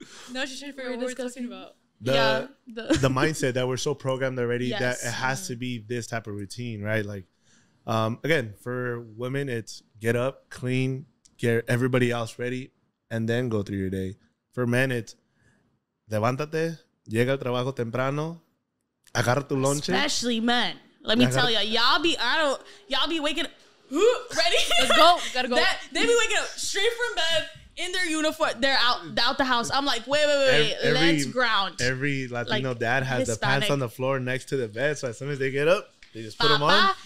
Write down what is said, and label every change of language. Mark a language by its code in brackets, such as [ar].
[en] No, she should figure out what we're talking about. The mindset that we're so programmed already, yes. that it has to be this type of routine, right? Like, again, for women, it's get up, clean, get everybody else ready, and then go through your day. For men, it's levántate. [es] Llega al trabajo temprano, agarra tu lunch. [en] Especially men. Let me tell you, y'all be waking up. Ready? Let's go. Gotta go. They be waking up straight from bed in their uniform. They're out the house. I'm like, wait. Let's ground. Every Latino dad has the pants on the floor next to the bed. So as soon as they get up, they just put them on.